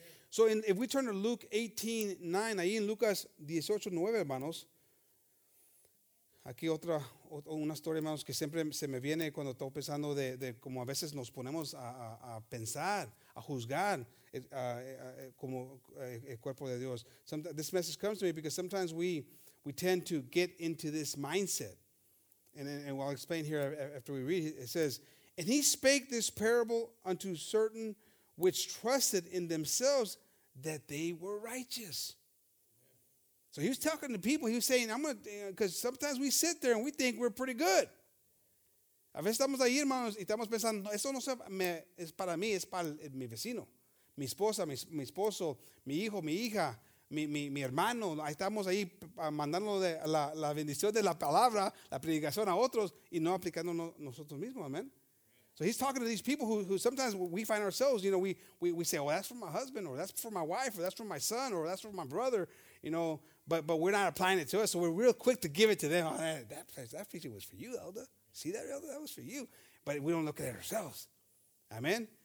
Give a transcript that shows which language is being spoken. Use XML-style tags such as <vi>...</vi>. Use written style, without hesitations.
<en>So if we turn to Luke 18:9,</en> <es>ahí en Lucas 18:9, hermanos, aquí otra. Una historia, hermanos, que siempre se me viene cuando estoy pensando de cómo a veces nos ponemos a pensar, a juzgar como el cuerpo de Dios.</es> <en>This message comes to me because sometimes we tend to get into this mindset. And I'll explain here after we read it. It says, and he spake this parable unto certain which trusted in themselves that they were righteous. So he was talking to people. He was saying, I'm going to, because sometimes we sit there and we think we're pretty good.</en> <es>A veces estamos ahí, hermanos, y estamos pensando, eso no es para mí, es para mi vecino, mi esposa, mi esposo, mi hijo, mi hija, mi hermano. Ahí estamos ahí mandando la bendición de la palabra, la predicación a otros, y no aplicándonos nosotros mismos, amen.</es> <en>So he's talking to these people who sometimes we find ourselves, you know, we say, oh, that's for my husband, or that's for my wife, or that's for my son, or that's for my brother, you know. But we're not applying it to us, so we're real quick to give it to them. Oh, that preaching was for you, Elder. See that, Elder? That was for you. But we don't look at it ourselves. Amen?</en>